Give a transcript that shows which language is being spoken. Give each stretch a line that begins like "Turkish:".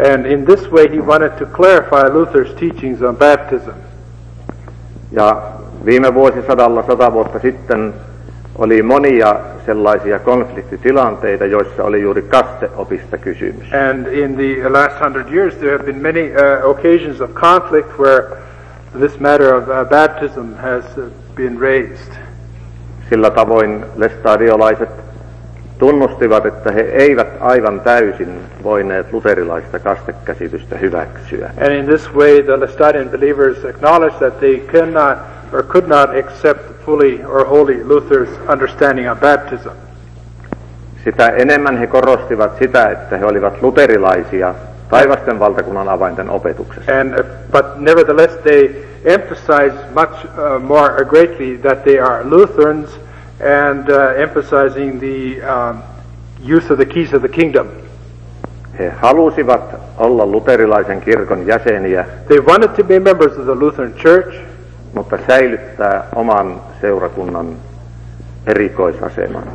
English: And in this way he wanted to clarify Luther's teachings on baptism.
Finnish: Ja Viime vuosisadalla 100 vuotta sitten oli monia sellaisia konfliktitilanteita, joissa oli juuri kasteopista kysymys.
English: And in the last 100 years there have been many occasions of conflict where this matter of baptism has been raised.
Finnish: Sillä tavoin lestadiolaiset tunnustivat, että he eivät aivan täysin voineet luterilaista kastekäsitystä hyväksyä.
English: And in this way the Lestadian believers acknowledged that they cannot or could not accept fully or wholly Luther's understanding of baptism.
Finnish: Sitä enemmän he korostivat sitä, että he olivat luterilaisia taivasten valtakunnan avainten opetuksessa.
English: And, but nevertheless they emphasize much more greatly that they are Lutherans and emphasizing the use of the keys of the kingdom.
Finnish: He halusivat olla luterilaisen kirkon jäseniä.
English: They wanted to be members of the Lutheran church.
Finnish: Mutta säilyttää oman seurakunnan erikoisaseman.